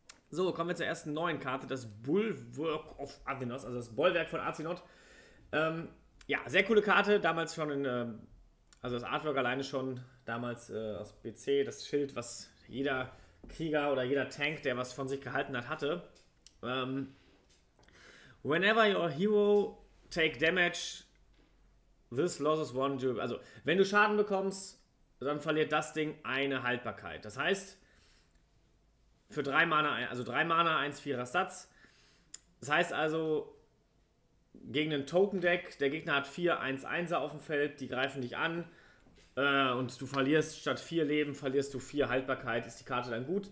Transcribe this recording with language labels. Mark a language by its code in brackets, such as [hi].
[de] So, kommen wir zur ersten neuen Karte, das Bulwark of Athinoth, also das Bollwerk von Azinoth. Ja, sehr coole Karte, damals schon in, also das Artwork alleine schon, damals aus BC, das Schild, was jeder Krieger oder jeder Tank, der was von sich gehalten hat, hatte. [en] Whenever your hero take damage, this loses one durability. [de] Also, wenn du Schaden bekommst, dann verliert das Ding eine Haltbarkeit. Das heißt, für 3 Mana, also 3 Mana, 1-4er Satz. Das heißt also, gegen ein Token-Deck, der Gegner hat 4 1-1er auf dem Feld, die greifen dich an und du verlierst statt 4 Leben, verlierst du 4 Haltbarkeit. Ist die Karte dann gut?